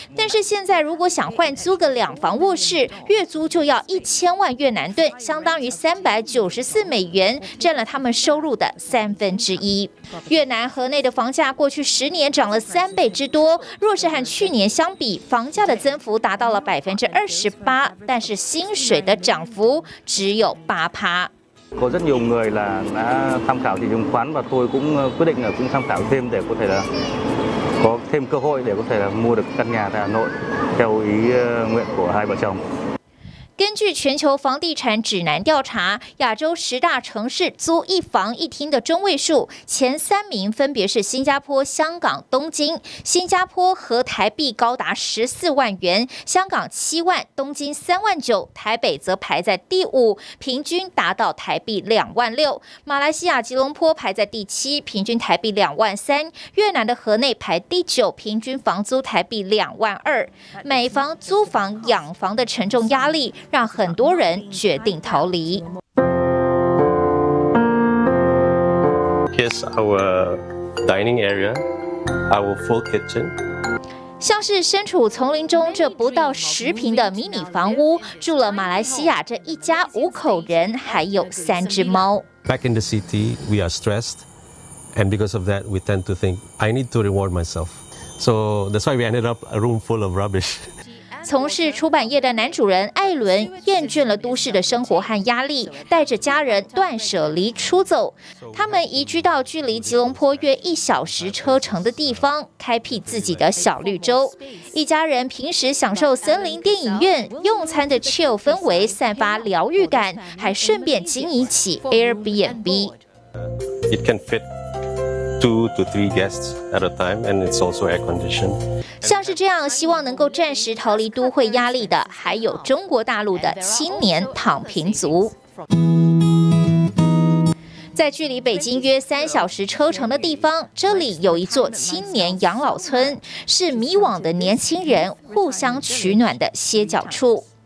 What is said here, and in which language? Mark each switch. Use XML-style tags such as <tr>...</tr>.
<zh>但是现在如果想换租个2房卧室，月租就要1000万越南盾，相当于394美元，占了他们收入的1/3。越南河内的房价过去10年涨了3倍之多，若是和去年相比，房价的增幅达到了28%，但是薪水的涨幅只有8%。</zh> <vi>có rất nhiều người là đã tham khảo thị trường khoán và tôi cũng quyết định là cũng tham khảo thêm để có thể là có thêm cơ hội để có thể là mua được căn nhà tại Hà Nội theo ý nguyện của hai vợ chồng。</vi> <zh>根据全球房地产指南调查，亚洲十大城市租一房一厅的中位数，前3名分别是新加坡、香港、东京。新加坡合台币高达14万元，香港7万，东京39000，台北则排在第5，平均达到台币26000。马来西亚吉隆坡排在第7，平均台币23000。越南的河内排第9，平均房租台币22000。买房、租房、养房的沉重压力，让很多人决定逃离。</zh> <en>Here's our dining area, our full kitchen.</en> <zh>像是身处丛林中这不到10平的迷你房屋，住了马来西亚这一家5口人，还有3只猫。</zh> <en>Back in the city, we are stressed, and because of that, we tend to think I need to reward myself. So that's why we ended up a room full of rubbish.</en> <zh>从事出版业的男主人艾伦厌倦了都市的生活和压力，带着家人断舍离出走。他们移居到距离吉隆坡约一小时车程的地方，开辟自己的小绿洲。一家人平时享受森林电影院用餐的 chill 氛围，散发疗愈感，还顺便经营起 Airbnb。</zh> <en>It can fit two to three guests at a time, and it's also air conditioned.</en> <zh>像是这样，希望能够暂时逃离都会压力的，还有中国大陆的青年躺平族。在距离北京约三小时车程的地方，这里有一座青年养老村，是迷惘的年轻人互相取暖的歇脚处。</zh>